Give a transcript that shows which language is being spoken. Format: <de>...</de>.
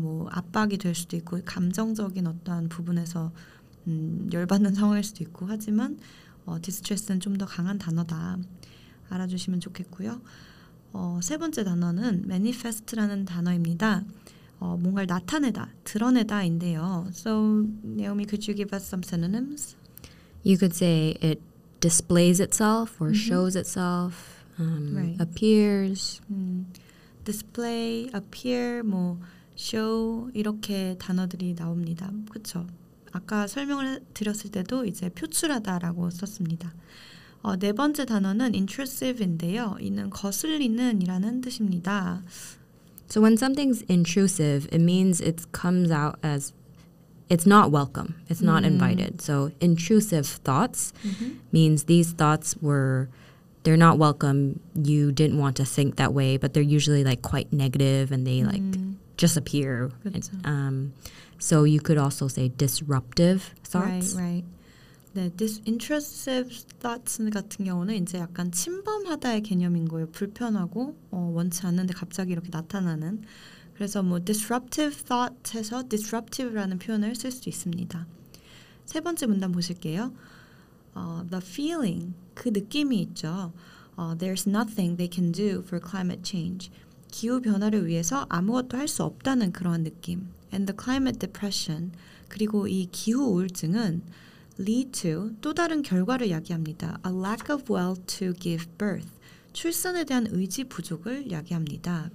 <ko>뭐 압박이 될 수도 있고 감정적인 어떠한 부분에서 열받는 상황일 수도 있고 하지만 디스트레스는 좀 더 강한 단어다. 알아주시면 좋겠고요. 세 번째 단어는 manifest라는 단어입니다. 뭔가를 나타내다, 드러내다인데요.</ko> <en>So, Naomi, could you give us some synonyms? You could say it displays itself or shows itself, right. appears.</en> <ko>Display, appear, 뭐 show 이렇게 단어들이 나옵니다. 그렇죠? 아까 설명을 드렸을 때도 이제 표출하다라고 썼습니다. 네 번째 단어는 intrusive인데요. 이는 거슬리는 이라는 뜻입니다.</ko> <en>So when something's intrusive, it means it comes out as it's not welcome. It's not invited. So intrusive thoughts means these thoughts were They're not welcome. You didn't want to think that way, but they're usually like quite negative and they like just appear. And, so you could also say disruptive thoughts.</en> <ko>Right, right. 네, intrusive thoughts 같은 경우는 이제 약간 침범하다의 개념인 거예요. 불편하고 원치 않는데 갑자기 이렇게 나타나는. 그래서 뭐 disruptive thought에서 disruptive라는 표현을 쓸 수 있습니다. 세 번째 문단 보실게요.</ko> <en>The feeling,</en> <ko>그 느낌이 있죠.</ko> <en>There's nothing they can do for climate change.</en> <ko>기후 변화를 위해서 아무것도 할 수 없다는 그러한 느낌.</ko> <en>And the climate depression,</en> <ko>그리고 이 기후 우울증은</ko> <en>lead to</en> <ko>또 다른 결과를 야기합니다.</ko> <en>A lack of will to give birth.</en> <ko>출산에 대한 의지 부족을 야기합니다.</ko>